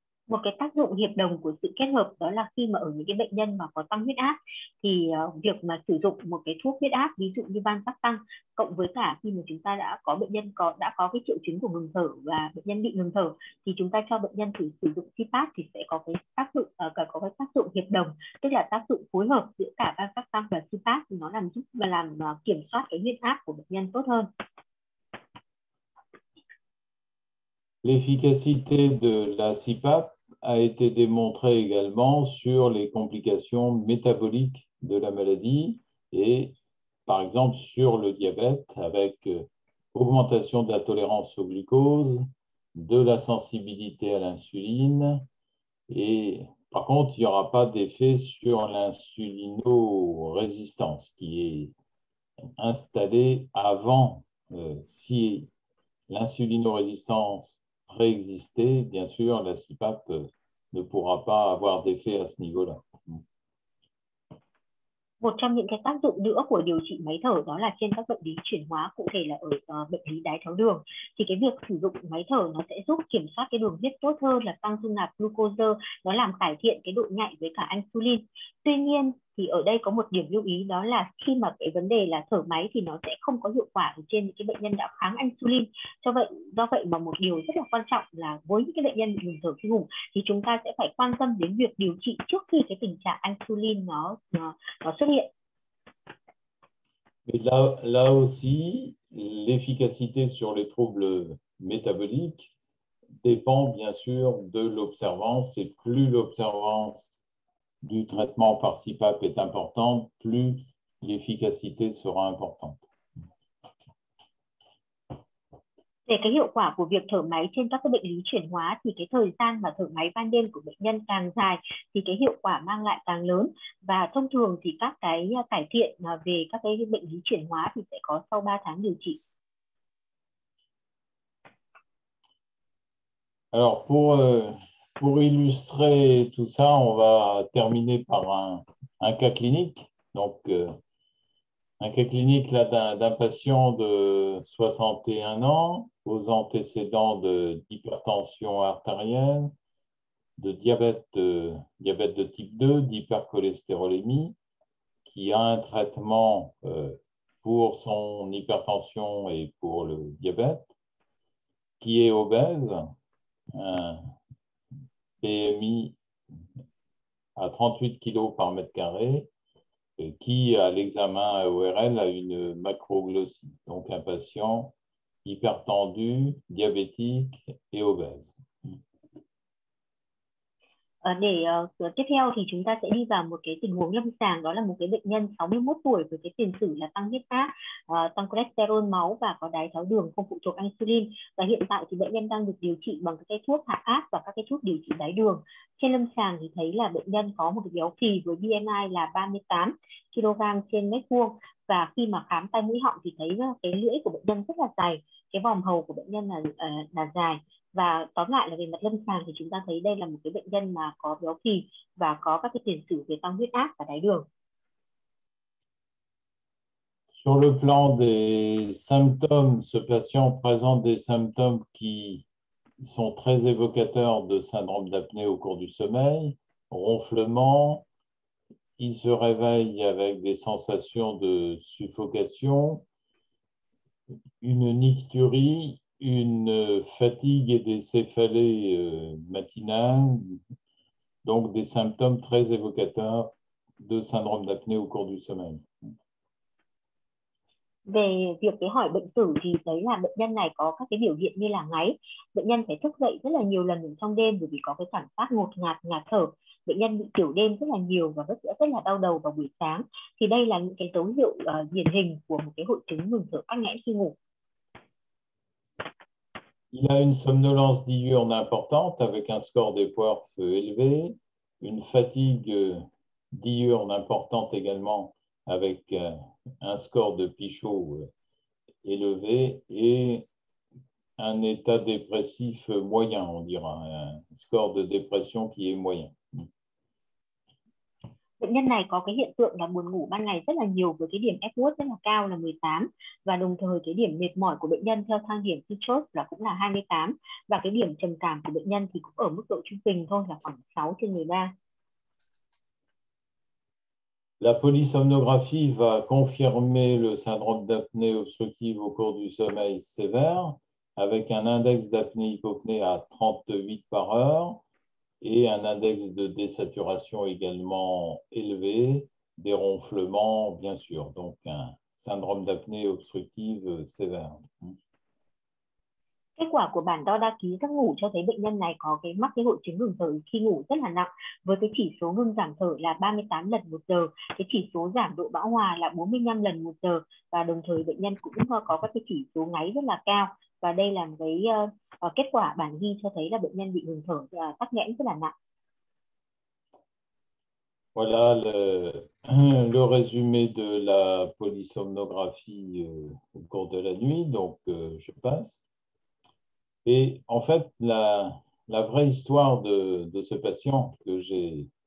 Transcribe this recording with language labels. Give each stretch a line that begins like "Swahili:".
Vietnamese: Một cái tác dụng hiệp đồng của sự kết hợp đó là khi mà ở những cái bệnh nhân mà có tăng huyết áp thì việc mà sử dụng một cái thuốc huyết áp ví dụ như valsartan cộng với cả khi mà chúng ta đã có bệnh nhân đã có cái triệu chứng của ngừng thở và bệnh nhân bị ngừng thở thì chúng ta cho bệnh nhân sử dụng CPAP thì sẽ có cái tác dụng có cái tác dụng hiệp đồng, tức là tác dụng phối hợp giữa cả valsartan và CPAP thì nó làm giúp và làm kiểm soát cái huyết áp của bệnh nhân tốt hơn.
French: L'efficacité de la CPAP a été démontré également sur les complications métaboliques de la maladie et, par exemple, sur le diabète avec augmentation de la tolérance au glucose, de la sensibilité à l'insuline. Et par contre, il n'y aura pas d'effet sur l'insulinorésistance qui est installée avant. Si l'insulinorésistance préexistait, bien sûr, la CPAP ne pourra pas avoir d'effet à ce niveau-là.
Vietnamese: Một trong những cái tác dụng nữa của điều trị máy thở đó là trên các bệnh lý chuyển hóa, cụ thể là ở bệnh lý đái tháo đường. Thì cái việc sử dụng máy thở nó sẽ giúp kiểm soát cái đường huyết tốt hơn, là tăng dung nạp glucose, nó làm cải thiện cái độ nhạy với cả insulin. Tuy nhiên thì ở đây có một điểm lưu ý, đó là khi mà cái vấn đề là thở máy thì nó sẽ không có hiệu quả trên những cái bệnh nhân đã kháng insulin. Cho vậy, do vậy mà một điều rất là quan trọng là với những cái bệnh nhân ngừng thở khi ngủ thì chúng ta sẽ phải quan tâm đến việc điều trị trước khi cái tình trạng insulin nó xuất hiện.
French: Mais là aussi, l'efficacité sur les troubles métaboliques dépend bien sûr de l'observance, et plus l'observance du traitement par CPAP est importante, plus l'efficacité sera importante.
Vietnamese: Để cái hiệu quả của việc thở máy trên các cái bệnh lý chuyển hóa thì cái thời gian mà thở máy ban đêm của bệnh nhân càng dài thì cái hiệu quả mang lại càng lớn, và thông thường thì các cái cải thiện về các cái bệnh lý chuyển hóa thì sẽ có sau 3 tháng điều trị.
French: Alors pour illustrer tout ça, on va terminer par un cas clinique. Donc un cas clinique là d'un patient de 61 ans, aux antécédents d'hypertension artérielle, de diabète de type 2, d'hypercholestérolémie, qui a un traitement pour son hypertension et pour le diabète, qui est obèse, un BMI à 38 kg par mètre carré, et qui, à l'examen ORL, a une macroglossie, donc un patient hypertendu, diabétique et obèse.
Vietnamese: Để tiếp theo thì chúng ta sẽ đi vào một cái tình huống lâm sàng, đó là một cái bệnh nhân 61 tuổi với cái tiền sử là tăng huyết áp, tăng cholesterol máu và có đái tháo đường không phụ thuộc insulin. Và hiện tại thì bệnh nhân đang được điều trị bằng cái thuốc hạ áp và các cái thuốc điều trị đái đường. Trên lâm sàng thì thấy là bệnh nhân có một cái béo phì với BMI là 38 kg trên mét vuông, và khi mà khám tai mũi họng thì thấy cái lưỡi của bệnh nhân rất là dài, cái vòm hầu của bệnh nhân là dài. Và tóm lại là về mặt lâm sàng thì chúng ta thấy đây là một cái bệnh nhân mà có béo phì và có các cái tiền sử về tăng huyết áp và đái đường.
French: Sur le plan des symptômes, ce patient présente des symptômes qui sont très évocateurs de syndrome d'apnée au cours du sommeil, ronflement, il se réveille avec des sensations de suffocation, une nycturie, une fatigue et des céphalées matinales, donc des symptômes très évocateurs de syndrome d'apnée au cours du sommeil.
Vietnamese: Về việc cái hỏi bệnh sử thì thấy là bệnh nhân này có các cái biểu hiện như là ngáy, bệnh nhân phải thức dậy rất là nhiều lần trong đêm bởi vì có cái cảm giác ngột ngạt, ngạt thở. Bệnh nhân bị tiểu đêm rất là nhiều và rất là đau đầu vào buổi sáng. Thì đây là những cái dấu hiệu điển hình của một cái hội chứng ngừng thở tắc nghẽn khi ngủ.
French: Il a une somnolence diurne importante avec un score d'EPOIRF élevé, une fatigue diurne importante également avec un score de Pichot élevé et un état dépressif moyen, on dira, un score de dépression qui est moyen.
Vietnamese: Bệnh nhân này có cái hiện tượng là buồn ngủ ban ngày rất là nhiều với cái điểm Epworth rất là cao là 18, và đồng thời cái điểm mệt mỏi của bệnh nhân theo thang điểm Pitchot là cũng là 28, và cái điểm trầm cảm của bệnh nhân thì cũng ở mức độ trung bình thôi, là khoảng 6/13.
French: La polysomnographie va confirmer le syndrome d'apnée obstructive au cours du sommeil sévère avec un index d'apnée hypopnée à 38 par heure et un index de désaturation également élevé, des ronflements, bien sûr. Donc, un syndrome d'apnée obstructive sévère.
Vietnamese: Kết quả của bản đo đa ký giấc ngủ cho thấy bệnh nhân này có cái mắc cái hội chứng ngừng thở khi ngủ rất là nặng, với cái chỉ số ngừng giảm thở là 38 lần một giờ, cái chỉ số giảm độ bão hòa là 45 lần một giờ, và đồng thời bệnh nhân cũng có các cái chỉ số ngáy rất là cao. Và đây là cái kết quả bản ghi cho thấy là bệnh nhân bị ngừng thở tắc nghẽn rất là nặng.
French: Voilà le résumé de la polysomnographie au cours de la nuit, donc je passe. Et en fait, la vraie histoire de ce patient que j'ai